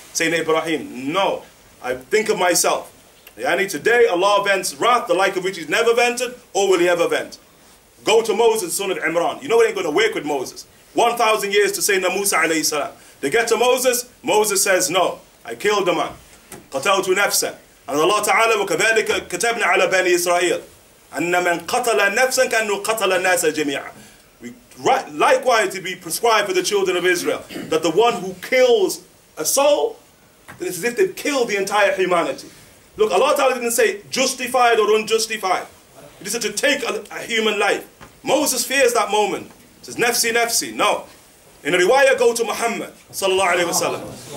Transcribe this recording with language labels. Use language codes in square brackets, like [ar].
[en] Saying, Ibrahim, no. I think of myself. Yani, today Allah vents wrath, the like of which he's never vented, or will he ever vent? Go to Moses, son of Imran. You know it ain't going to work with Moses. 1,000 years to say Musa alayhi salam. They get to Moses, Moses says, no, I killed a man. [ar] Qataltu nafsan. And Allah Ta'ala, وَكَذَلِكَ كَتَبْنَا عَلَى بَنِي إِسْرَائِيلَ أَنَّ مَنْ قَتَلَ نَفْسًا كَأَنُّ قَتَلَ النَّاسَ جَمِيعًا. [en] Likewise, to be prescribed for the children of Israel, that the one who kills a soul, then it's as if they've killed the entire humanity. Look, Allah Ta'ala didn't say justified or unjustified. He just said to take a human life. Moses fears that moment. He says, nafsi, nafsi. No. In a riwayah, go to Muhammad, sallallahu alayhi wa sallam.